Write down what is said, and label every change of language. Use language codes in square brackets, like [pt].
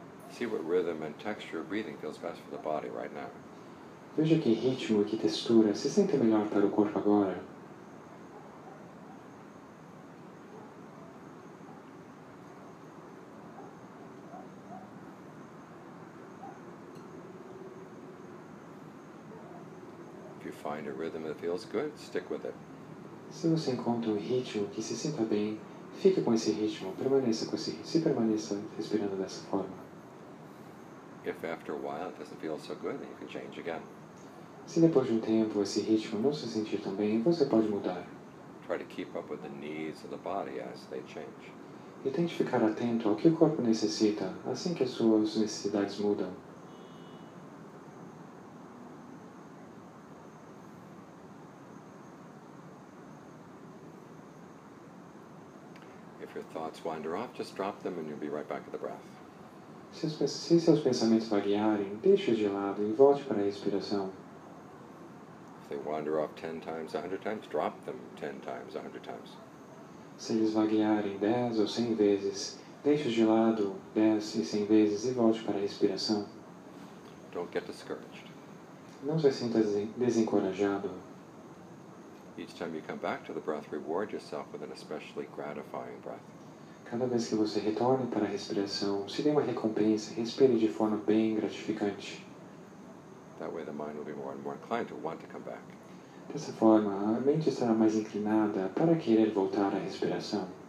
[en] See what rhythm and texture of breathing feels best for the body right now. [pt] Veja que ritmo e que textura se sente melhor para o corpo agora. [en] Find a rhythm that feels good, stick with it. [pt] Se você encontra ritmo que se sinta bem, fique com esse ritmo, permaneça com esse ritmo, se permaneça respirando dessa forma. [en] If after a while it doesn't feel so good, then you can change again. [pt] Se depois de tempo esse ritmo não se sentir tão bem, você pode mudar. [en] Try to keep up with the needs of the body as they change. [pt] E tente ficar atento ao que o corpo necessita assim que as suas necessidades mudam. [en] Thoughts wander off, just drop them and you'll be right back at the breath. [pt] Se seus pensamentos variarem, deixe-os de lado e volte para a respiração. [en] If they wander off 10 times, 100 times, drop them 10 times, 100 times. [pt] Se eles vaguearem 10 ou 100 vezes, deixe-os de lado 10 e 100 vezes e volte para a respiração. [en] Don't get discouraged. [pt] Não se sinta desencorajado. [en] Each time you come back to the breath, reward yourself with an especially gratifying breath. [pt] Cada vez que você retorna para a respiração, se dê uma recompensa, respire de forma bem gratificante. [en] That way the mind will be more and more inclined to want to come back. [pt] Dessa forma, a mente estará mais inclinada para querer voltar à respiração.